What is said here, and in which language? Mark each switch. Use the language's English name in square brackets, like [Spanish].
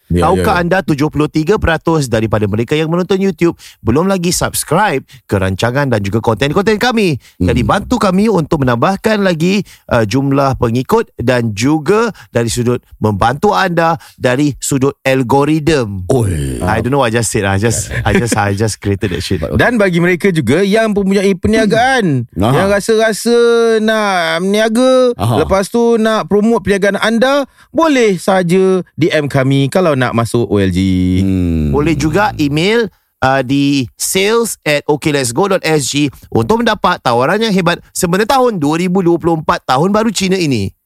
[Malay] Tahukah anda 73% daripada mereka yang menonton YouTube belum lagi subscribe ke rancangan dan juga konten-konten kami? Jadi bantu kami untuk menambahkan lagi jumlah pengikut dan juga dari sudut membantu anda dari sudut algoritm. [English] I don't know, I just said, I just created that shit. [Malay] Dan bagi mereka juga yang mempunyai perniagaan, yang rasa-rasa nak meniaga, lepas tu nak promote perniagaan anda, boleh saja DM kami kalau nak masuk OLG. Boleh juga email di sales@okletsgo.sg untuk mendapat tawaran yang hebat sebenarnya tahun 2024, tahun baru Cina ini.